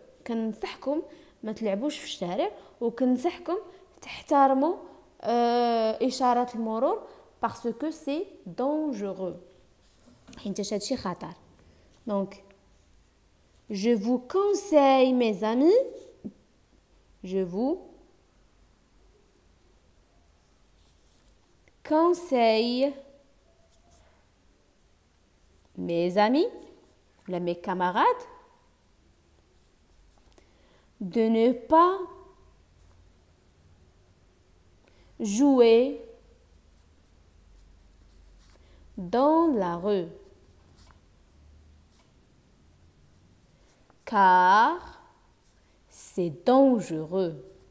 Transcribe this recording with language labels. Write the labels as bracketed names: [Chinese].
[French] Je vous conseille de ne pas jouer dans la rue. [Arabic] Ou كنصحكم تحترموا اشارات المرور [French] باسكو سي دونجورو [Arabic] حيت هادشي خطر. [French] دونك je vous conseille mes amis, je vous conseille mes amis ولا mes camarades de ne pas jouer dans la rue car c'est dangereux.